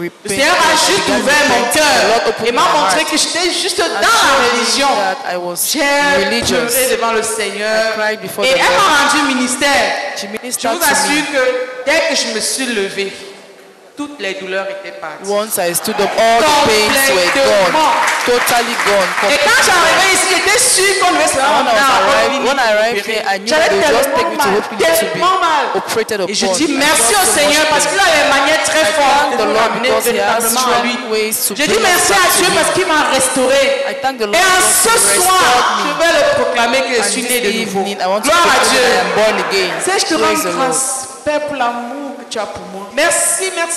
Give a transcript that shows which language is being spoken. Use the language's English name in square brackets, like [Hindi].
[French] Le Seigneur a juste ouvert mon cœur et m'a montré que j'étais juste dans la religion. J'ai pleuré devant le Seigneur et elle m'a rendu ministère. Je vous assure que dès que je me suis levé, toutes les douleurs étaient parties. [English] Once I stood up, all the pains were gone. Totally gone. [French] Et quand j'arrivais ici, j'étais sûr qu'on devait se rendre là. [English] When I arrived here, I knew they just take me to hospital to be operated upon. [French] Et je dis merci au Seigneur parce qu'il a des manières très fortes de nous ramener véritablement à lui. Je dis merci à Dieu parce qu'il m'a restauré. Et en ce soir, je vais le proclamer que je suis né de nouveau. Gloire à Dieu. Sais je te rends grâce, Père, pour l'amour que tu as pour moi. Merci.